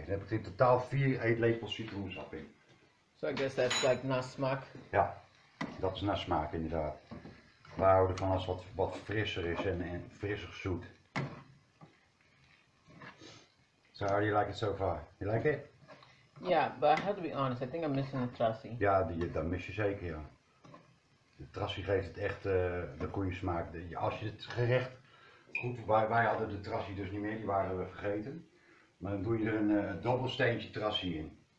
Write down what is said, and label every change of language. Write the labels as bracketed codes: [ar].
[nl] Dan heb ik in totaal 4 eetlepels citroensap in. [en] So I guess that's like [nl] na smaak. Ja. Dat is naar smaak inderdaad. We houden van als wat frisser is en frissig zoet. [en] So how do you like it so far? You like it? Yeah, but I have to be honest, I think I'm missing the trassi. [nl] Ja, dat mis je zeker, ja. De trassi geeft het echt de goede smaak. Als je het gerecht goed, wij hadden de trassi dus niet meer, die waren we vergeten. Maar dan doe je er een dobbelsteentje trassi in.